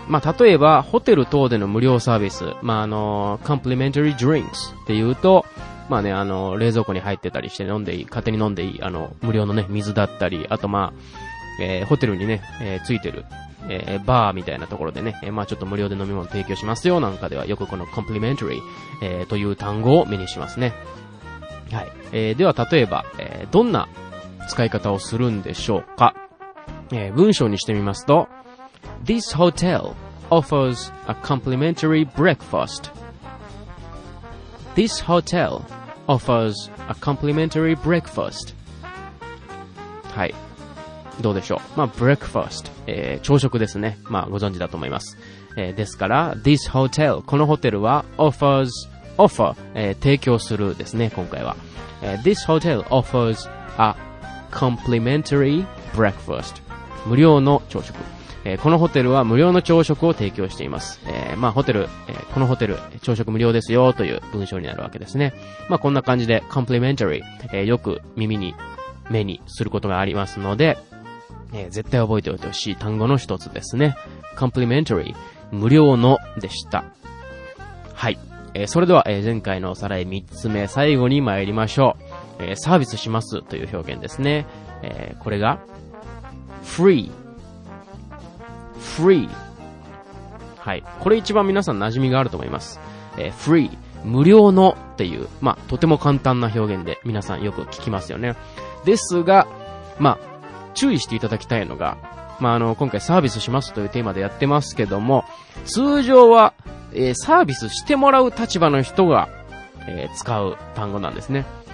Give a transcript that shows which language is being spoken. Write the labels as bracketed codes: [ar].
[ja] まあ例えば、ホテル等での無料サービス。まあcomplimentary drinks っていうと、まあね、冷蔵庫に入ってたりして飲んでいい、勝手に飲んでいい、無料のね、水だったり、あとまあ、ホテルにね、ついてる。バーみたいなところでね、まあちょっと無料で飲み物提供しますよなんかでは、よくこの complimentary、という単語を目にしますね。はい。では例えば、どんな使い方をするんでしょうか。文章にしてみますと、 [en] This hotel offers a complimentary breakfast. This hotel offers a complimentary breakfast. [ja] はい。どうでしょう。まあ、breakfast、朝食ですね。まあ、ご存知だと思います。ですから、this hotel、このホテルは offers、offer、提供するですね、今回は。 [en] this hotel offers a complimentary breakfast。 [ja] 無料の朝食。このホテルは無料の朝食を提供しています。まあ、ホテル、このホテル、朝食無料ですよという文章になるわけですね。まあ、こんな感じで complimentary、よく耳に、目にすることがありますので、絶対覚えておいてほしい単語の一つですね。 complimentary、 無料のでした。はい。それでは、前回のおさらい三つ目、最後に参りましょう。サービスしますという表現ですね。これが free、 free。はい、これ一番皆さん馴染みがあると思います。free、 無料のっていう、まあとても簡単な表現で皆さんよく聞きますよね。ですが、まあ注意していただきたいのが、まあ、今回サービスしますというテーマでやってますけども、通常は、サービスしてもらう立場の人が、使う単語なんですね。